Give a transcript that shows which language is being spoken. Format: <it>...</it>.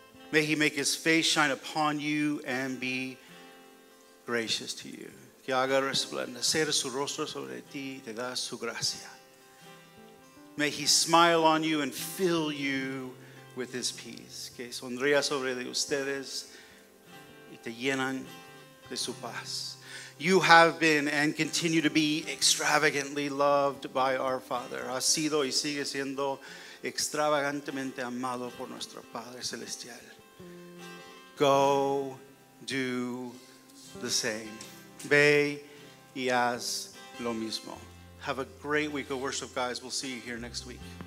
<en>May he make his face shine upon you and be gracious to you.</en> <es>Que haga resplandecer su rostro sobre ti y te da su gracia.</es> <en>May he smile on you and fill you with his peace.</en> <es>Que sonría sobre ustedes y te llenan de su paz.</es> <en>You have been and continue to be extravagantly loved by our Father.</en> <es>Has sido y sigue siendo extravagantemente amado por nuestro Padre Celestial.</es> <en>Go do the same.</en> <es>Ve y haz lo mismo.</es> <en>Have a great week of worship, guys. We'll see you here next week.</en>